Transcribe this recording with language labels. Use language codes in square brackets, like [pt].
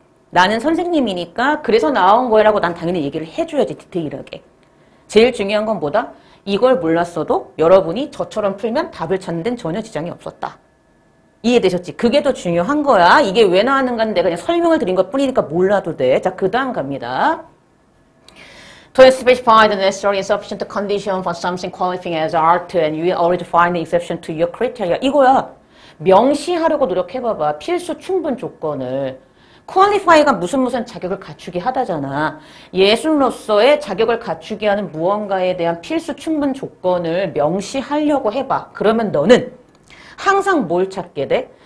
[ko] 나는 선생님이니까 그래서 나온 거야라고 난 당연히 얘기를 해줘야지, 디테일하게. 제일 중요한 건 뭐다? 이걸 몰랐어도 여러분이 저처럼 풀면 답을 찾는 데는 전혀 지장이 없었다. 이해되셨지? 그게 더 중요한 거야. 이게 왜 나왔는가인데 그냥 설명을 드린 것뿐이니까 몰라도 돼. 자, 그 다음 갑니다. [en] To specify the necessary insufficient condition for something qualifying as art, and you will already find the exception to your criteria. [ko] 이거야. 명시하려고 노력해봐봐. 필수 충분 조건을. qualify가 무슨 무슨 자격을 갖추게 하다잖아. 예술로서의 자격을 갖추게 하는 무언가에 대한 필수 충분 조건을 명시하려고 해봐. 그러면 너는 항상 뭘 찾게 돼?